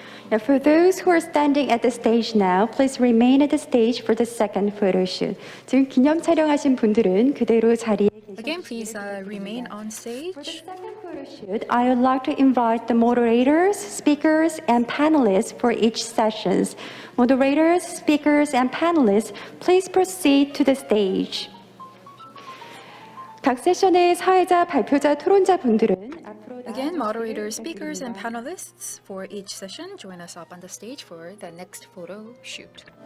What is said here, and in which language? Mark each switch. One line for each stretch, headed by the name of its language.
English: 네, for those who are standing at the stage now, please remain at the stage for the second photo shoot.
Korean: 지금 기념 촬영하신 분들은 그대로 자리에 계십시오.
English: Again, please remain on stage. For the second photo shoot, I would like to invite the moderators, speakers, and panelists for each session. Moderators, speakers, and panelists, please proceed to the stage.
Korean: 각 세션의 사회자, 발표자, 토론자 분들은
English: Again, moderators, speakers, and panelists for each session, join us up on the stage for the next photo shoot.